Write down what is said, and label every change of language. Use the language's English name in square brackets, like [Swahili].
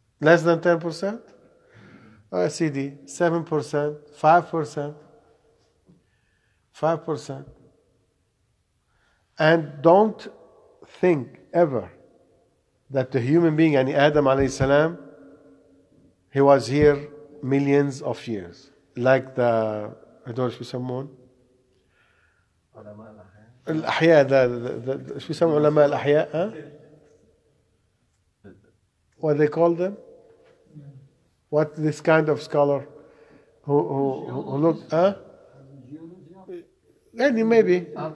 [English] Less than 10%? OECD, 7%, 5%, 5%. And don't think ever that the human being, and Adam alayhi salam, he was here millions of years. Like the, I don't know if someone. [Arabic] الأحياء ذا شو يسمون علماء الأحياء ها؟ [English] what they call them? What this kind of scholar who look [Arabic] ها؟ يعني [English] maybe